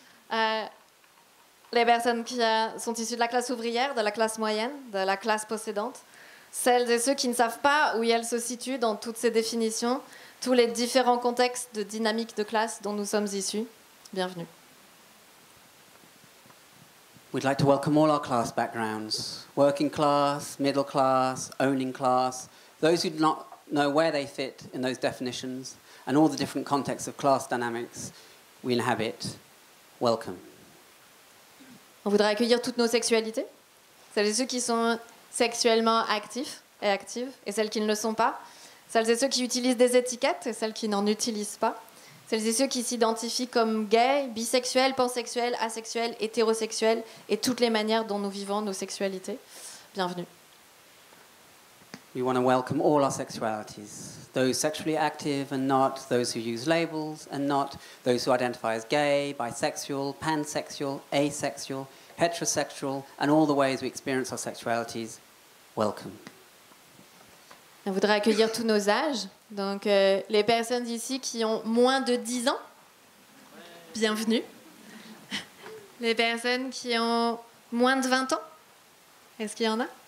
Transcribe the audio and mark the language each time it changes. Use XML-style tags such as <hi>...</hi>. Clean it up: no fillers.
<fr>Les personnes qui sont issues de la classe ouvrière, de la classe moyenne, de la classe possédante. Celles et ceux qui ne savent pas où elles se situent dans toutes ces définitions, tous les différents contextes de dynamique de classe dont nous sommes issus. Bienvenue.</fr> <en>We'd like to welcome all our class backgrounds, working class, middle class, owning class, those who do not know where they fit in those definitions, and all the different contexts of class dynamics we inhabit. Welcome.</en> <fr>On voudrait accueillir toutes nos sexualités, celles et ceux qui sont sexuellement actifs et actives, et celles qui ne le sont pas, celles et ceux qui utilisent des étiquettes et celles qui n'en utilisent pas, celles et ceux qui s'identifient comme gays, bisexuels, pansexuels, asexuels, hétérosexuels, et toutes les manières dont nous vivons nos sexualités. Bienvenue.</fr> <en>We want to welcome all our sexualities, those sexually active and not, those who use labels and not, those who identify as gay, bisexual, pansexual, asexual, heterosexual, and all the ways we experience our sexualities. Welcome.</en> <fr>On voudrait accueillir tous nos âges, donc les personnes ici qui ont moins de 10 ans, bienvenue. Les personnes qui ont moins de 20 ans, est-ce qu'il y en a?</fr>